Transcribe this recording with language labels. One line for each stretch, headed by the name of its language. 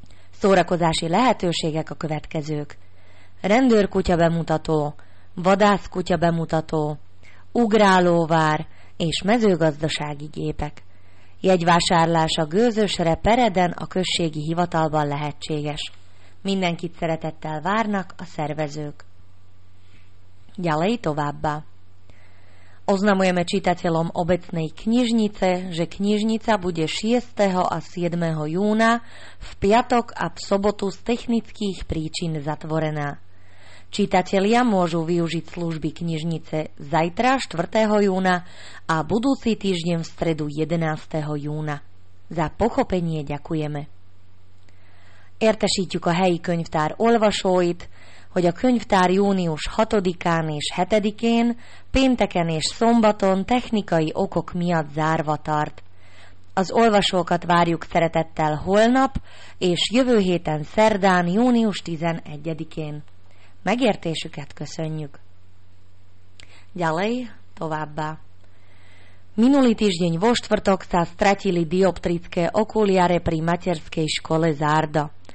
Hungarian: Szórakozási lehetőségek a következők. Rendőrkutya bemutató, vadászkutya bemutató, ugrálóvár és mezőgazdasági gépek. Jegyvásárlás a gőzösre Pereden a községi hivatalban lehetséges. Mindenkit szeretettel várnak a szervezők.
Slovak: Ďalej továbbá. Oznamujeme čitateľom obecnej knižnice, že knižnica bude 6. a 7. júna v piatok a v sobotu z technických príčin zatvorená. Čitatelia môžu využiť služby knižnice zajtra 4. júna a budúci týždeň v stredu 11. júna. Za pochopenie ďakujeme.
Hungarian: Értesítjük a helyi könyvtár olvasóit, hogy a könyvtár június 6-án és 7-én, pénteken és szombaton technikai okok miatt zárva tart. Az olvasókat várjuk szeretettel holnap és jövő héten szerdán június 11-én. Megértésüket köszönjük.
Slovak: Ďalej, továbbá. Minulý týždeň vo štvrtok sa stratili dioptrické okuliare pri materskej škole Zárda.